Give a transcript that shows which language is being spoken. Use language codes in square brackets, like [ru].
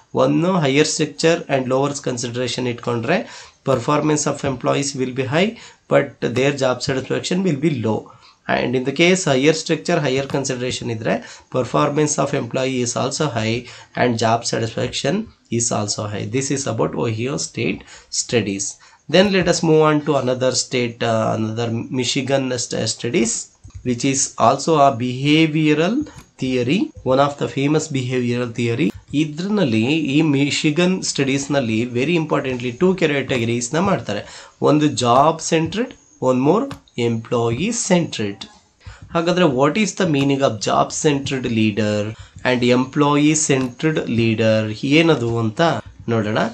[en] one higher structure and lowers consideration [kn] ಇಟ್ಕೊಂಡ್ರೆ [en] Performance of employees will be high but their job satisfaction will be low. And in the case higher structure higher consideration [kn] ಇದ್ದರೆ [en] Performance of employee is also high and job satisfaction is also high. This is about Ohio state studies. Then let us move on to another state, another Michigan studies which is also a behavioral theory, one of the famous behavioral theory. [kn] ಇದ್ರಲ್ಲಿ ಈ ಮಿಷಿಗನ್ ಸ್ಟಡೀಸ್ನಲ್ಲಿ very importantly two ಕ್ಯಾಟಗರೀಸ್ನ ಮಾಡ್ತಾರೆ, ಒಂದು job centred, one more employee centred. ಹಾಗಾದರೆ [en] what is the meaning of job centred leader and employee centred leader [kn] ಏನದು ಅಂತ ನೋಡೋಣ.